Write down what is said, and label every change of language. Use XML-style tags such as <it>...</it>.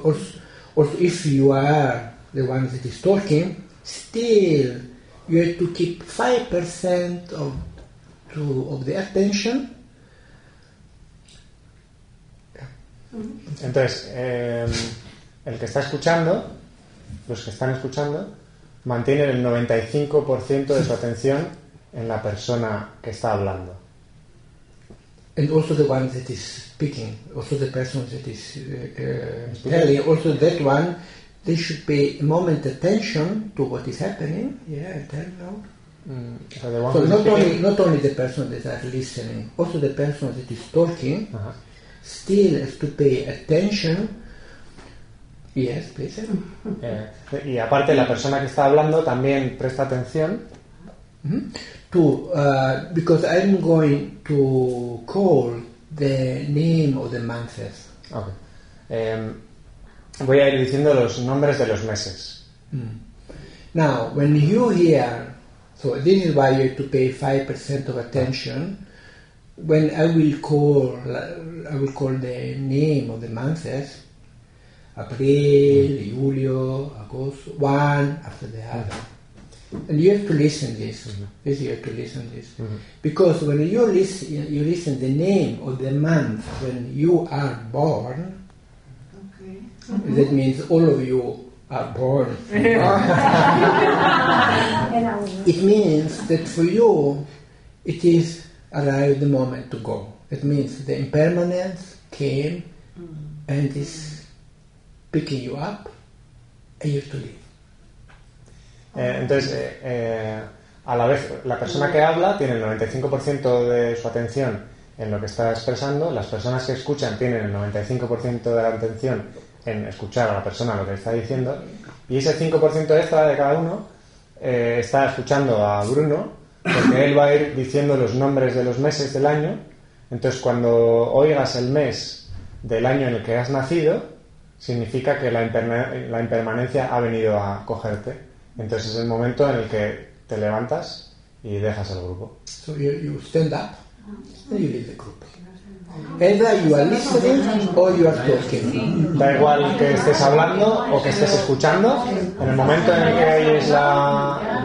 <en>Also, if you are the one that is talking, still you have to keep 5% of the attention.</en> <es>Entonces, el que está escuchando, los que están escuchando, mantienen el 95% de su atención en la persona que está hablando.</es> <en>And also the one that is speaking, also the person that is telling, also that one, they should pay a moment attention to what is happening. Yeah, I tell you. So not only the person that is listening, also the person that is talking. Uh-huh. Still have to pay attention. Yes, please.</en> <es>Y aparte la persona que está hablando también presta atención. Mm-hmm.</es> <en>Because I'm going to call the name of the months. Okay.</en> <es>Voy a ir diciendo los nombres de los meses. Mm.</es> <en>Now, when you hear, so this is why you have to pay 5% of attention. When I will call the name of the months, April, mm-hmm. Julio, August, one after the other, mm-hmm. and you have to listen this. Mm-hmm. This you have to listen this, mm-hmm. because when you listen the name of the month when you are born, okay. mm-hmm. that means all of you are born. It means that for you, it is. Arrived the moment to go. It means the impermanence came and is picking you up and you have to leave.</en> <es>Entonces, a la vez, la persona que habla tiene el 95% de su atención en lo que está expresando, las personas que escuchan tienen el 95% de la atención en escuchar a la persona lo que está diciendo, y ese 5% extra de cada uno está escuchando a Bruno. Porque él va a ir diciendo los nombres de los meses del año. Entonces, cuando oigas el mes del año en el que has nacido, significa que la impermanencia ha venido a cogerte. Entonces, es el momento en el que te levantas y dejas el grupo.</es> <en>So you stand up and you leave the group. Either you are listening or you are talking.</en> <es>Da igual que estés hablando o que estés escuchando, en el momento en el que oyes la...</es>